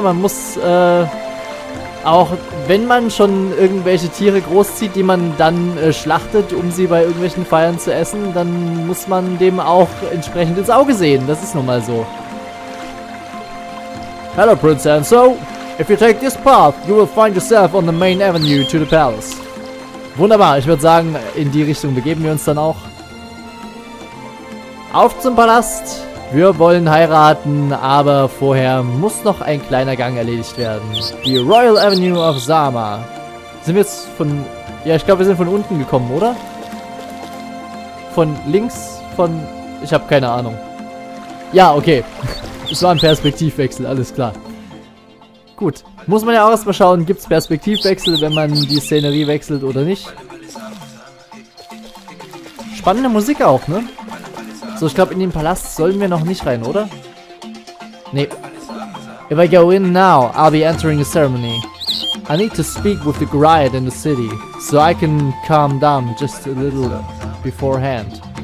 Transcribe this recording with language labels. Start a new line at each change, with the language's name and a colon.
German: Man muss, auch wenn man schon irgendwelche Tiere großzieht, die man dann schlachtet, um sie bei irgendwelchen Feiern zu essen, dann muss man dem auch entsprechend ins Auge sehen. Das ist nun mal so.
English: Hello, Prince Anso. If you take this path, you will find yourself on the main avenue to the palace.
German: Wunderbar, ich würde sagen, in die Richtung begeben wir uns dann auch. Auf zum Palast. Wir wollen heiraten, aber vorher muss noch ein kleiner Gang erledigt werden. Die Royal Avenue of Zama. Sind wir jetzt von... Ja, ich glaube, wir sind von unten gekommen, oder? Von links? Von... Ich habe keine Ahnung. Ja, okay. Es war ein Perspektivwechsel, alles klar. Gut. Muss man ja auch erstmal schauen, gibt es Perspektivwechsel, wenn man die Szenerie wechselt oder nicht. Spannende Musik auch, ne? So, ich glaube, in den Palast sollen wir noch nicht rein, oder? Nee.
English: If I go in now, I'll be entering a ceremony. I need to speak with the griot in the city, so I can calm down just a little beforehand.